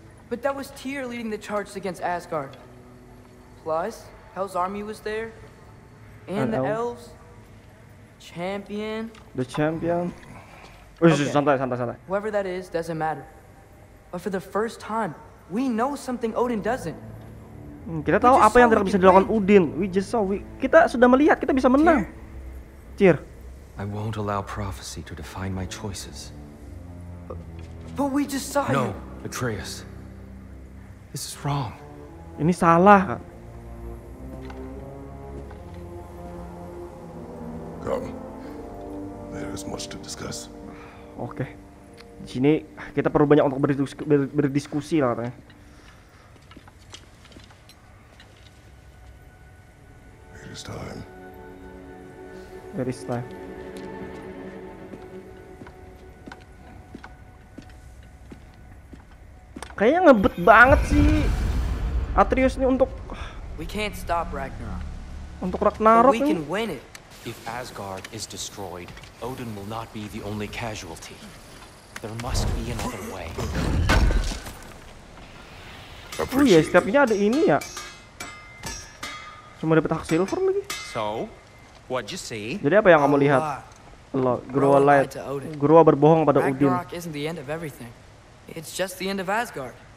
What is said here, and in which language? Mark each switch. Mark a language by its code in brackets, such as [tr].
[en] But that was Tyr leading the charge against Asgard. Plus, Hell's army was there. And the elves, champion. The champion. Okay. Just, santai. Whoever that is doesn't matter. But for the first time, we know something Odin doesn't. [id] Kita tahu apa yang tidak bisa dilakukan Odin. [en] We just saw. [id] Kita sudah melihat. Kita bisa menang. Tyr. [en] I won't allow prophecy to define my choices. But we just saw. No, Atreus. This is wrong. [id] Ini salah. [en] There is much to discuss. [id] Oke. Di sini kita perlu banyak untuk berdiskusi lah katanya. [en] It is time. It is time. [id] Kayaknya ngebet banget sih Atreus ini untuk [en] we can't stop Ragnarok. [id] Untuk Ragnarok. [en] But we can win it. If Asgard is destroyed, Odin will not be the only casualty. There must be another way. [id] Oh iya, setiapnya ada ini ya. Cuma dapat hak silver lagi. [en] So, what you see? [id] Jadi apa yang kamu lihat? Allah, Groa lied. Groa berbohong pada Odin. [en] Ragnarok isn't the end of everything. It's just the end of Asgard.